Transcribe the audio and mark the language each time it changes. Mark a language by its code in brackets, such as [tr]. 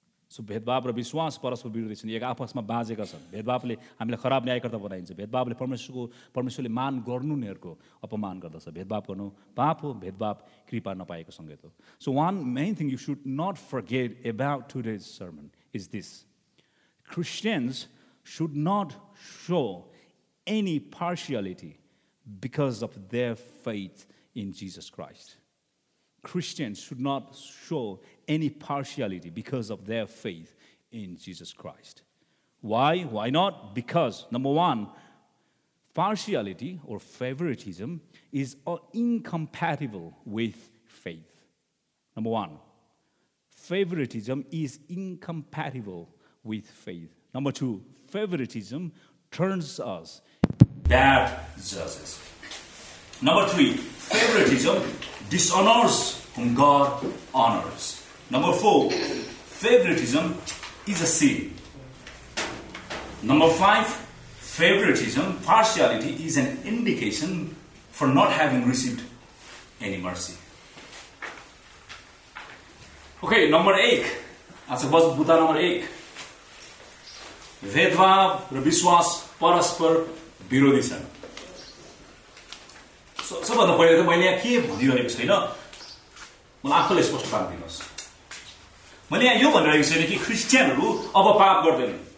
[ne] So भेदभाव र विश्वास परस्पर विरोधी छन् एक आपसमा बाँझेका छन् भेदभावले हामीलाई खराब न्यायकर्ता बनाइदिन्छ भेदभावले परमेश्वरले मान गर्नु उनीहरूको अपमान गर्दछ भेदभाव गर्नु पाप हो भेदभाव कृपा नपाएको सङ्केत हो [en] So one main thing you should not forget about today's sermon is this Christians should not show any partiality because of their faith in Jesus Christ. Christians should not show any partiality because of their faith in Jesus Christ. Why? Why not? Because, number one, partiality or favoritism is incompatible with faith. Number one, favoritism is incompatible with faith. Number two, favoritism turns us bad judges. Number three, favoritism dishonors whom God honors. Number four, favoritism is a sin. Number five, favoritism, partiality is an indication for not having received any mercy. Okay, number eight. That's a Buddha number eight. [ne] भेदभाव र विश्वास परस्पर विरोधी छन् सबभन्दा पहिले त मैले यहाँ के भनिरहेको छैन मलाई आफूले स्पष्ट पारिदिनुहोस् मैले यहाँ यो भनिरहेको छैन कि ख्रिस्टियनहरू अब पाप गर्दैन